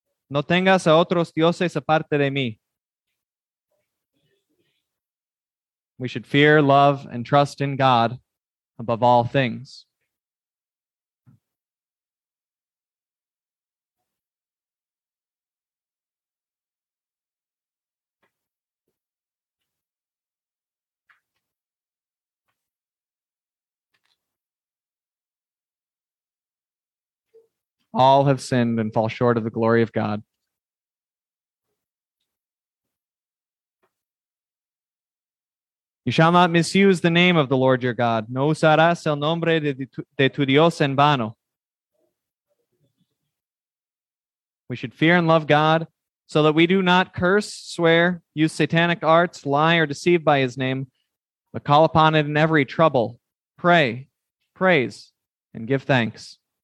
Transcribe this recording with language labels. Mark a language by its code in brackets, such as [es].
[es] No tengas a otros dioses aparte de mí. [en] We should fear, love, and trust in God above all things. All have sinned and fall short of the glory of God. You shall not misuse the name of the Lord your God. [es] No usarás el nombre de tu Dios en vano. [en] We should fear and love God so that we do not curse, swear, use satanic arts, lie, or deceive by his name, but call upon it in every trouble, pray, praise, and give thanks.